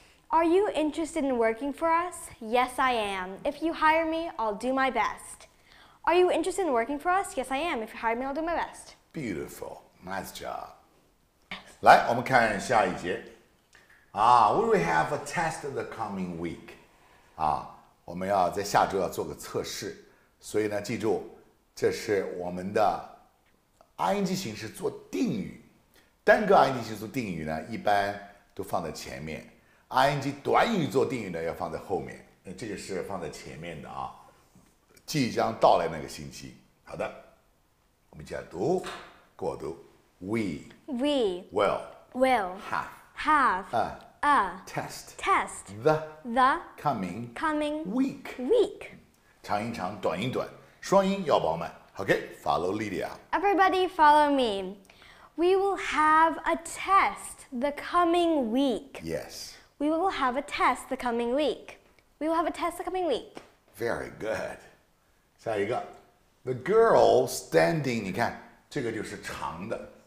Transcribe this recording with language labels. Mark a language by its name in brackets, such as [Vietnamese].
[English] Are you interested in working for us? Yes, I am. If you hire me, I'll do my best. Are you interested in working for us? Yes, I am. If you hire me, I'll do my best. [Chinese] Beautiful. Nice job. 来，我们看下一节。 [English] We will have a test the coming week. [Chinese] 我们要在下周要做个测试。所以呢，记住，这是我们的 ing 形式做定语。单个 ing 形式做定语呢，一般都放在前面。 ing 短语做定语呢，要放在后面。这个是放在前面的啊。即将到来那个星期。好的，我们一起来读，过读。 [English] We will have a test the coming week. [Chinese] 长音长，短音短，双音要饱满。 [English] Okay, follow Lydia. Everybody follow me. We will have a test the coming week. Yes. We will have a test the coming week. We will have a test the coming week. [Chinese] Very good. 下一个 The girl standing, 你看，这个就是长的。